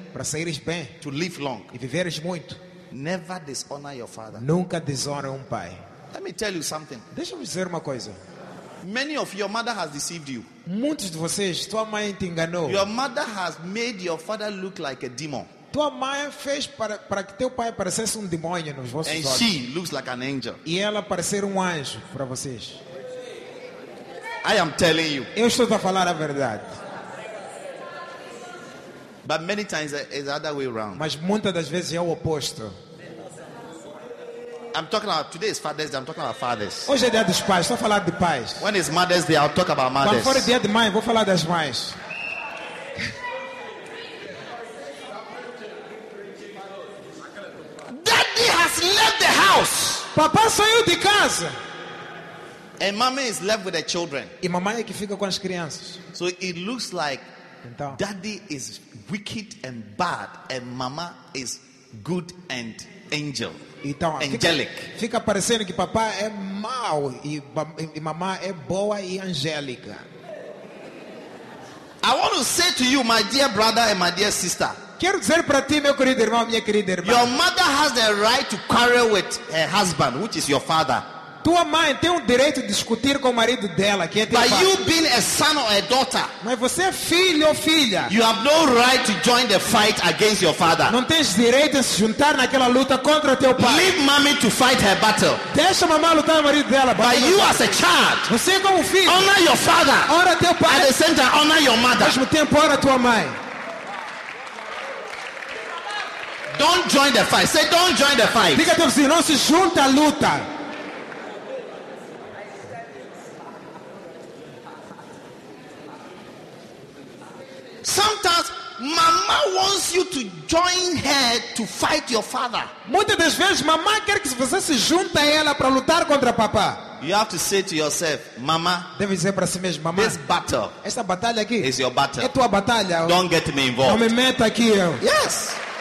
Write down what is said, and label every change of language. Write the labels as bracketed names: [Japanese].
[Portuguese] para saíres bem, [English] to live long, [Portuguese] e viveres muito, [English] never dishonor your father. [Portuguese] Nunca desonra pai. [English] Let me tell you something. [Portuguese] Deixa-me dizer uma coisa. [English] Many of your mother has deceived you. [Portuguese] Muitos de vocês, tua mãe te enganou. [English] Your mother has made your father look like a demon. [Portuguese] Tua mãe fez para que teu pai parecesse demônio nos vossos [English] and [Portuguese] olhos. [English] And she looks like an angel. [Portuguese] E ela parecer anjo para vocês. [English] I am telling you. [Portuguese] Eu estou a falar a verdade. [English] But many times it's the other way around. [Portuguese] Mas muitas das vezes é o oposto. [English] I'm talking about today is Father's Day. I'm talking about fathers. [Portuguese] Hoje é dia dos pais. Estou a falar de pais. [English] When is Mother's Day? I'll talk about mothers. [Portuguese] Quando for dia de mãe, vou falar das mães. [English] Daddy has left the house. [Portuguese] Papá saiu de casa. [English] And mommy is left with the children. [Portuguese] E mamãe é que fica com as crianças. [English] So it looks like então, daddy is wicked and bad, and mama is good and angel. [Portuguese] Então, [English] angelic. [Portuguese] Fica parecendo que papai é mau e mamãe é boa e angélica. [English] I want to say to you, my dear brother and my dear sister. [Portuguese] Quero dizer para ti, meu querido irmão, minha querida irmã. [English] Your mother has the right to quarrel with her husband, which is your father. [Portuguese] Tua mãe tem o direito de discutir com o marido dela, que é teu pai. [English] But you being a son or a daughter, [Portuguese] mas você é filho ou filha, [English] you have no right to join the fight against your father. [Portuguese] Não tens direito de se juntar naquela luta contra teu pai. [English] Leave mommy to fight her battle. [Portuguese] Deixa mamãe lutar com o marido dela. [English] But you as a child, [Portuguese] você como filho, [English] honor your father. [Portuguese] Honra teu pai. [English] At the same time, honor your mother. [Portuguese] Ao mesmo tempo, honra tua mãe. [English] Don't join the fight. Say, don't join the fight. [Portuguese] Diga teu filho, não se junta à luta. [English] Sometimes mama wants you to join her to fight your father. [Portuguese] Muitas das vezes mamãe quer que você se junte a ela para lutar contra papá. [English] You have to say to yourself, mama, [Portuguese] deve dizer para si mesmo, mama, [English] this battle, [Portuguese] esta batalha aqui, [English] is your battle. [Portuguese] É tua batalha. [English] Don't get me involved. [Portuguese] Não me meta aqui eu. [English] Yes.